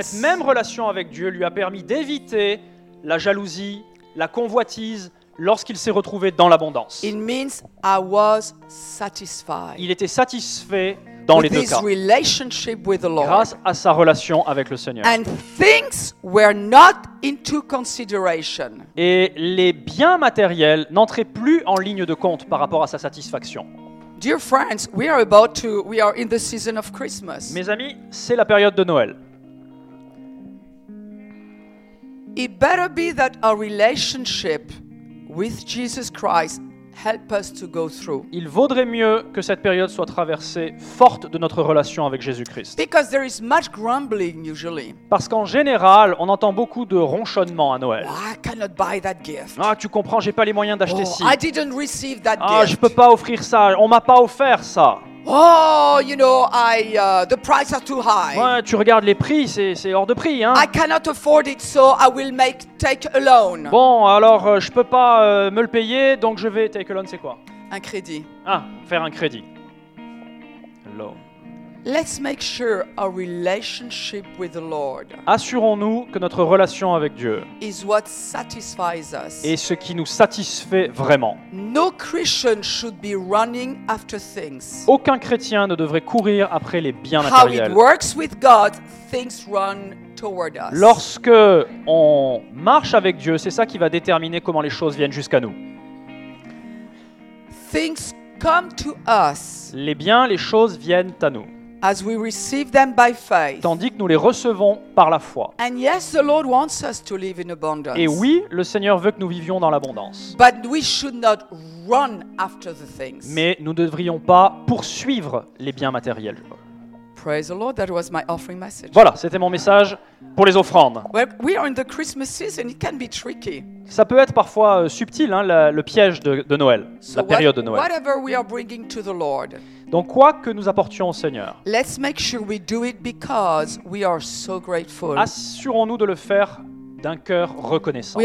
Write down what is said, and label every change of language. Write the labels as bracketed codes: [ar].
[fr] Cette même relation avec Dieu lui a permis d'éviter la jalousie, la convoitise lorsqu'il s'est retrouvé dans l'abondance. [en] It means I was satisfied. [fr] Il était satisfait dans les deux cas, [en] relationship with the Lord. [fr] Grâce à sa relation avec le Seigneur. [en] And things were not into consideration. [fr] Et les biens matériels n'entraient plus en ligne de compte par rapport à sa satisfaction. [en] Dear friends, we are in the season of Christmas. [fr] Mes amis, c'est la période de Noël. [en] It better be that our relationship with Jesus Christ help us to go through. [fr] Il vaudrait mieux que cette période soit traversée forte de notre relation avec Jésus-Christ. [en] Because there is much grumbling usually. [fr] Parce qu'en général, on entend beaucoup de ronchonnements à Noël. [en] Oh, I cannot buy that gift. [fr] Ah, tu comprends, j'ai pas les moyens d'acheter ci. [en] I didn't receive that ah, gift. [fr] Je peux pas offrir ça, on m'a pas offert ça. [en] Oh, you know, the price are too high. [fr] Ouais, tu regardes les prix, c'est hors de prix, hein. [en] I cannot afford it, so I will take a loan. [fr] Bon, alors je peux pas me le payer, donc je vais [en] take a loan, [fr] c'est quoi? Un crédit. Ah, faire un crédit. Loan. [en] Let's make sure our relationship with the Lord. [fr] Assurons-nous que notre relation avec Dieu [en] is what satisfies us. [fr] Est ce qui nous satisfait vraiment. [en] No Christian should be running after things. [fr] Aucun chrétien ne devrait courir après les biens [en] How [fr] matériels. [en] How it works with God, things run toward us. [fr] Lorsque on marche avec Dieu, c'est ça qui va déterminer comment les choses viennent jusqu'à nous. [en] Things come to us. [fr] Les biens, les choses viennent à nous. [en] As we receive them by faith. [fr] Tandis que nous les recevons par la foi. [en] And yes, the Lord wants us to live in abundance. [fr] Et oui, le Seigneur veut que nous vivions dans l'abondance. [en] But we should not run after the things. [fr] Mais nous ne devrions pas poursuivre les biens matériels. [en] Praise the Lord, that was my offering message. [fr] Voilà, c'était mon message pour les offrandes. [en] Well, we are in the Christmas season, it can be tricky. [fr] Ça peut être parfois subtil, hein, le piège de Noël, [en] so [fr] la période de Noël. [en] Whatever we are bringing to the Lord. [fr] Donc quoi que nous apportions au Seigneur. [en] Let's make sure we do it because we are so grateful. [fr] Assurons-nous de le faire d'un cœur reconnaissant.